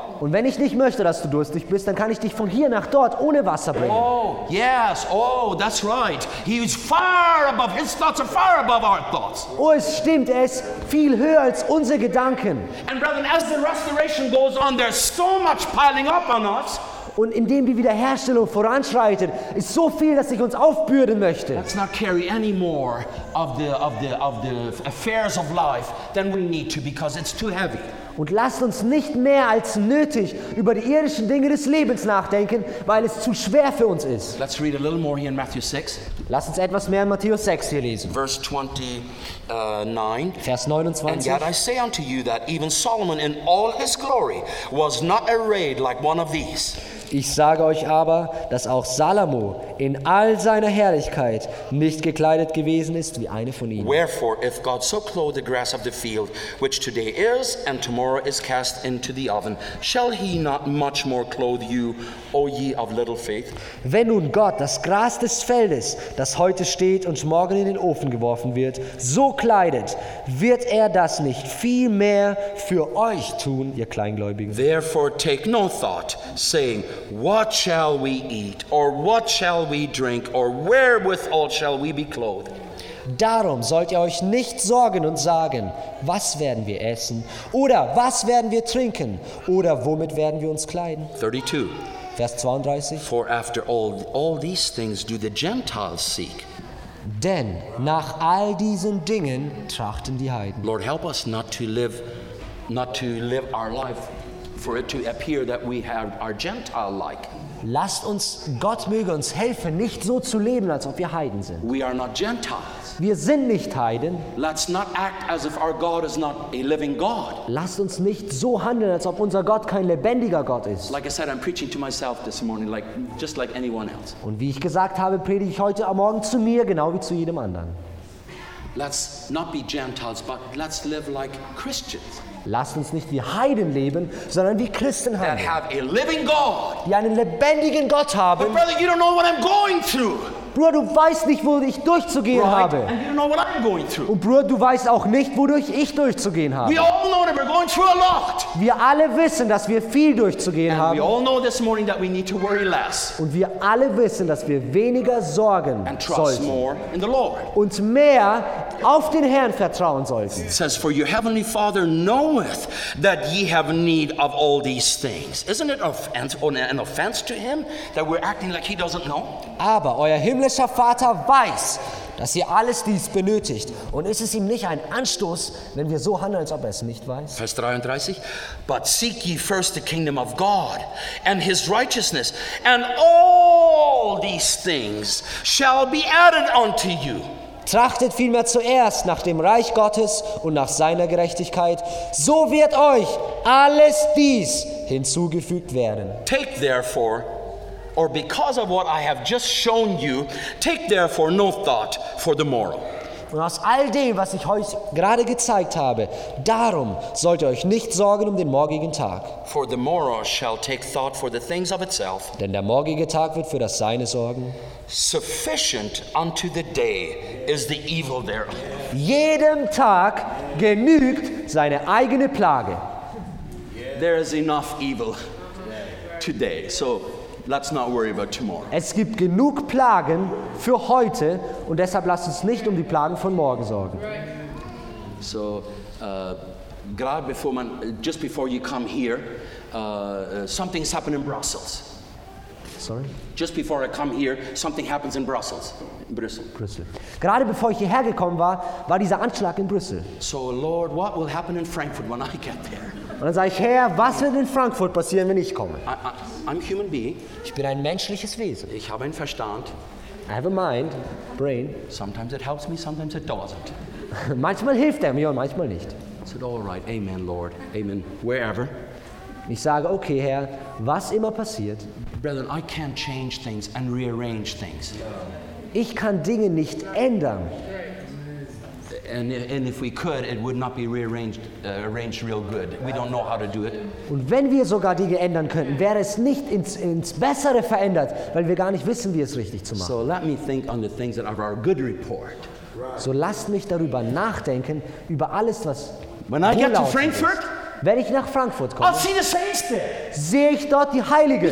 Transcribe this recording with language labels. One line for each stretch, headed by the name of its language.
German: Und wenn ich nicht möchte, dass du durstig bist, dann kann ich dich von hier nach dort ohne Wasser bringen.
English: Oh, yes, oh, that's right. He is far above, his thoughts are far above our thoughts.
German: Oh, es stimmt, er ist viel höher als unsere Gedanken.
English: And brethren, as the restoration goes on, there's so much piling up on us.
German: Und indem die Wiederherstellung voranschreitet, ist so viel, dass ich uns aufbürden möchte.
English: Let's not carry any more of the affairs of life than we need to, because it's too heavy.
German: Und lasst uns nicht mehr als nötig über die irdischen Dinge des Lebens nachdenken, weil es zu schwer für uns ist.
English: Let's read a little more here in Matthew 6.
German: Lasst uns etwas mehr in Matthäus 6 hier lesen.
English: Verse 29.
German: Vers 29.
English: And yet I say unto you that even Solomon in all his glory was not arrayed like one of these.
German: Ich sage euch aber, dass auch Salomo in all seiner Herrlichkeit nicht gekleidet gewesen ist wie eine von ihnen.
English: Wherefore, if God so clothed the grass of the field, which today is and tomorrow tomorrow is cast into the oven, shall he not much more clothe you, O ye of little faith?
German: Wenn nun Gott das Gras des Feldes, das heute steht und morgen in den Ofen geworfen wird, so kleidet, wird er das nicht viel mehr für euch tun, ihr Kleingläubigen?
English: Therefore take no thought, saying, what shall we eat, or what shall we drink, or wherewithal shall we be clothed?
German: Darum sollt ihr euch nicht sorgen und sagen, was werden wir essen oder was werden wir trinken oder womit werden wir uns kleiden?
English: 32.
German: Vers 32.
English: For after all these things do the Gentiles seek.
German: Denn nach all diesen Dingen trachten die Heiden.
English: Lord, help us not to live our life for it to appear that we have our Gentile like.
German: Lasst uns, Gott möge uns helfen, nicht so zu leben, als ob wir Heiden sind.
English: We are not Gentiles.
German: Wir sind nicht Heiden.
English: Let's not act as if our God is not a living God.
German: Lasst uns nicht so handeln, als ob unser Gott kein lebendiger Gott ist.
English: Like I said, I'm preaching to myself this morning, like just like anyone else.
German: Und wie ich gesagt habe, predige ich heute am Morgen zu mir, genau wie zu jedem anderen.
English: Let's not be Gentiles, but let's live like Christians.
German: Lasst uns nicht wie Heiden leben, sondern wie Christen handeln.
English: That have a living God.
German: Die einen lebendigen Gott haben.
English: But brother, you don't know what I'm going through.
German: Bruder, du weißt nicht, wo ich durchzugehen habe.
English: And you don't know what I'm going through.
German: Und Bruder, du weißt auch nicht, wodurch ich durchzugehen habe.
English: We all know that we're going through a lot.
German: Wir alle wissen, dass wir viel durchzugehen haben. We all know this morning that we need to worry less. Und wir alle wissen, dass wir weniger sorgen
English: and
German: trust sollten.
English: More in the Lord.
German: Und mehr auf den Herrn vertrauen sollten.
English: It says, for your heavenly Father knoweth that ye have need of all these things. Isn't it an offense to him that we're acting like he doesn't know?
German: Aber euer himmlischer Vater weiß, dass ihr alles dies benötigt. Und ist es ihm nicht ein Anstoß, wenn wir so handeln, als ob er es nicht weiß? Vers 33.
English: But seek ye first the kingdom of God and his righteousness, and all these things shall be added unto you.
German: Trachtet vielmehr zuerst nach dem Reich Gottes und nach seiner Gerechtigkeit, so wird euch alles dies hinzugefügt werden.
English: Take therefore, or because of what I have just shown you, take therefore no thought for the morrow.
German: Und aus all dem, was ich euch gerade gezeigt habe, darum sollt ihr euch nicht sorgen um den morgigen Tag.
English: For the morrow shall take thought for the things of itself.
German: Denn der morgige Tag wird für das Seine sorgen.
English: Sufficient unto the day is the evil thereof.
German: Jedem Tag genügt seine eigene Plage.
English: There is enough evil today. So let's not worry about tomorrow.
German: Es gibt genug Plagen für heute und deshalb lasst uns nicht um die Plagen von morgen sorgen.
English: So gerade before man just before you come here, something's happened in Brussels. Sorry. Just before I come here, something happens in Brussels. In Brüssel.
German: Brüssel. Gerade bevor ich hierher gekommen war, war dieser Anschlag in Brüssel.
English: So Lord, what will happen in Frankfurt when I get there?
German: Und dann sage ich, Herr, was wird in Frankfurt passieren, wenn ich komme?
English: I'm a human being.
German: Ich bin ein menschliches Wesen. Ich habe einen Verstand.
English: I have a mind, brain. Sometimes it helps me, sometimes it doesn't.
German: Manchmal hilft er mir und manchmal nicht.
English: I said, all right, amen, Lord, amen, wherever.
German: Ich sage, okay, Herr, was immer passiert.
English: Brethren, I can't change things and rearrange things.
German: Ich kann Dinge nicht ändern.
English: And if we could, it would not be arranged real good. We don't know how to do it.
German: Und wenn wir sogar Dinge ändern könnten, wäre es nicht ins Bessere verändert, weil wir gar nicht wissen, wie es richtig zu machen.
English: So let me think on the things that are our good report.
German: So lasst mich darüber nachdenken über alles, was
English: when I get to Frankfurt.
German: Wenn ich nach Frankfurt komme, sehe ich dort die Heiligen.